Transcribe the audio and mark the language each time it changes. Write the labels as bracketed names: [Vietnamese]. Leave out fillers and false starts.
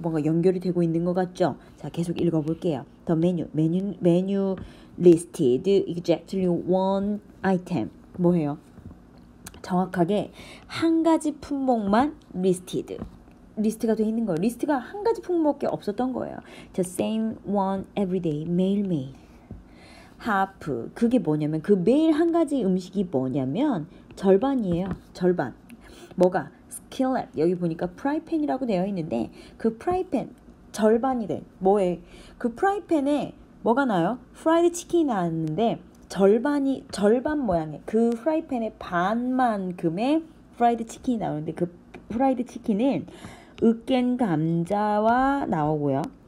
[Korean] 뭔가 연결이 되고 있는 것 같죠? 자, 계속 읽어볼게요. [English] The menu listed exactly one item. [Korean] 뭐예요? 정확하게 한 가지 품목만 리스트가 돼 있는 거예요. 리스트가 한 가지 품목밖에 없었던 거예요. [English] The same one every day, [Korean] 매일매일. Half, 그게 뭐냐면, 그 매일 한 가지 음식이 뭐냐면 절반이에요. 절반. 뭐가? Skillet. 여기 보니까 프라이팬이라고 되어 있는데, 그 프라이팬 절반이 돼. 뭐에? 그 프라이팬에 뭐가 나요? 프라이드 치킨이 나왔는데, 절반이 절반 모양의 그 프라이팬의 반만큼의 프라이드 치킨이 나오는데, 그 프라이드 치킨은 으깬 감자와 나오고요.